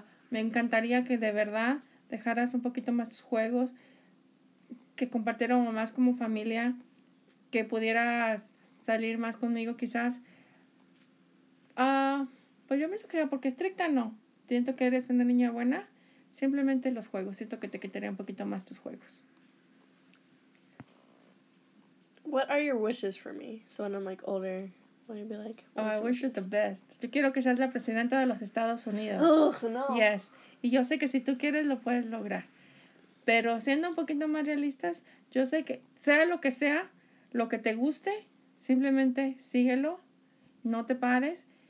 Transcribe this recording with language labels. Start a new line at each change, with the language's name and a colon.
Spanish: Me encantaría que de verdad dejaras un poquito más tus juegos, que compartiéramos más como familia, que pudieras salir más conmigo quizás. Pues yo me sugería, porque estricta no. Siento que eres una niña buena. Simplemente los juegos. Siento que te quitaría un poquito más tus juegos.
English: What are your wishes for me? So when I'm like older, what would you be like? Oh, I wish wishes? You the best.
Spanish: Yo quiero que seas la presidenta de los Estados Unidos.
English: Ugh, no. Yes.
Spanish: Y yo sé que si tú quieres, lo puedes lograr. Pero siendo un poquito más realistas, yo sé que sea lo que sea, lo que te guste, simplemente síguelo. No te pares.